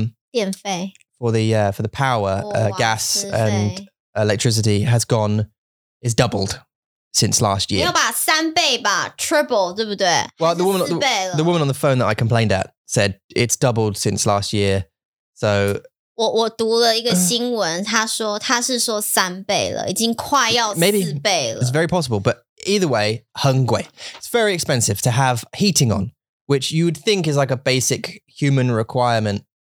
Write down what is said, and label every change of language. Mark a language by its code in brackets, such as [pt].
[zh] 电费. [en] For the power, gas and electricity has gone, is doubled. Since last year. [zh] 没有吧,三倍吧, triple, 对不对? [en] Well, the woman on the phone that I complained at said it's doubled since last year. So [zh] 我读了一个新闻, 她是说三倍了, 已经快要四倍了。 [en] It's very possible, but either way, [zh] 很贵. [en] It's very expensive to have heating on, which you would think is like a basic human requirement.